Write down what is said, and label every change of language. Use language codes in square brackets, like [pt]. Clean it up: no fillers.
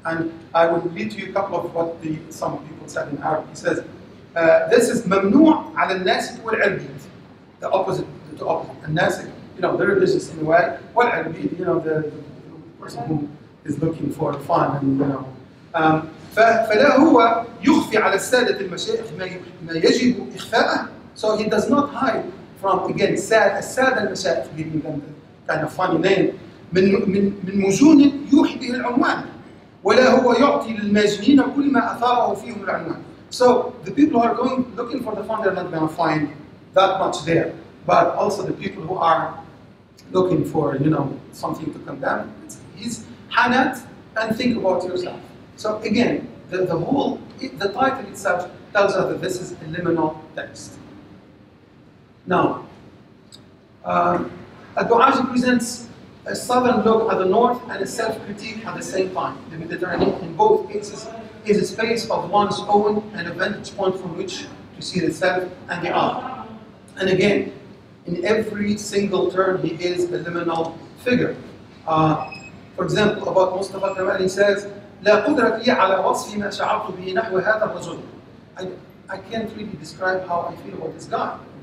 [en] And I will read to you a couple of what some people said in Arabic. He says, this is [ar] ممنوع على الناس والعبيد, [en] the opposite, the opposite. الناس, you know, the religious in a way, والعبيد, you know, the person who is looking for fun and, you know. [ar] فلا هو يخفي على السادة المشايخ ما يجب إخفاءه. [en] So he does not hide from, again, [ar] السادة المشايخ, [en] giving them the kind of funny name, [ar] من مجون يوحي به العنوان. ولا هو يعطي للماجنين كل ما أثاره فيهم العنوان. [en] So the people who are going looking for the fun, they're not going to find that much there. But also the people who are looking for, you know, something to condemn, he's Hanat, and think about yourself. So again, the title itself tells us that this is a liminal text. Now, Adu'aji presents a southern look at the north and a self-critique at the same time. The Mediterranean, in both cases, is a space of one's own and a vantage point from which to see the self and the other. And again, in every single turn, he is a liminal figure. For example, about Mustafa Kemal, he says, [ar] لا قدرة لي على وصف ما شعرت به نحو هذا الرجل. [en] I can't really describe how I feel about this guy.